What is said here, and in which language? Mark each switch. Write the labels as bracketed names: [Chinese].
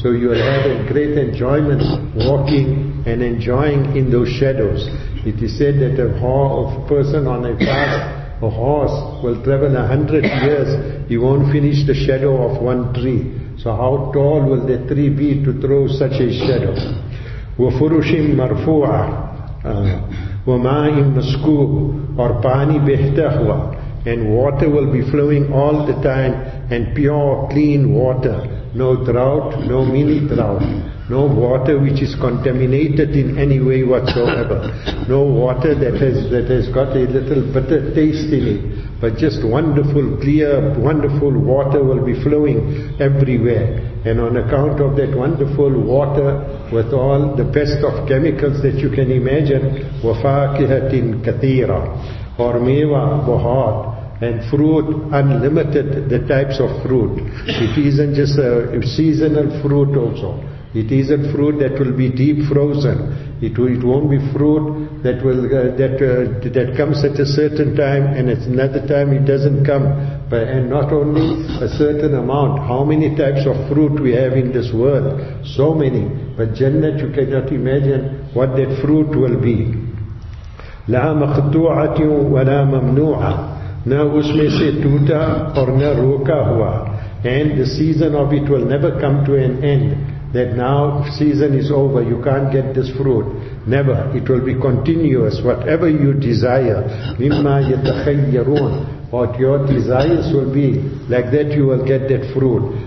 [English] So you will have a great enjoyment walking and enjoying in those shadows. It is said that a horse will travel 100 years, he won't finish the shadow of one tree. So how tall will the tree be to throw such a shadow? [Arabic] وَفُرُشِمْ مَرْفُوعَ وَمَاهِمْ مَسْكُوبُ [Urdu] or pani بِهْتَهْوَى. [English] And water will be flowing all the time, and pure, clean water. No drought, no mini drought. No water which is contaminated in any way whatsoever. No water that has got a little bitter taste in it. But just wonderful, clear, wonderful water will be flowing everywhere. And on account of that wonderful water, with all the best of chemicals that you can imagine, [Arabic] وَفَاكِهَةٍ كَثِيرًا [English] or [Urdu] meva bahut, [English] and fruit unlimited, the types of fruit. It isn't just a seasonal fruit also. It isn't fruit that will be deep frozen. It won't be fruit that will that comes at a certain time and at another time it doesn't come. But and not only a certain amount. How many types of fruit we have in this world? So many. But Jannah, you cannot imagine what that fruit will be. [Arabic] لا مقطوعة ولا ممنوعة. [Urdu] نہ اس میں سے ٹوٹا اور نہ روکا ہوا. [English] And the season of it will never come to an end. That now season is over, you can't get this fruit. Never. It will be continuous. Whatever you desire. [Arabic] مِمَّا يَتَخَيَّرُونَ. [English] What your desires will be, like that you will get that fruit.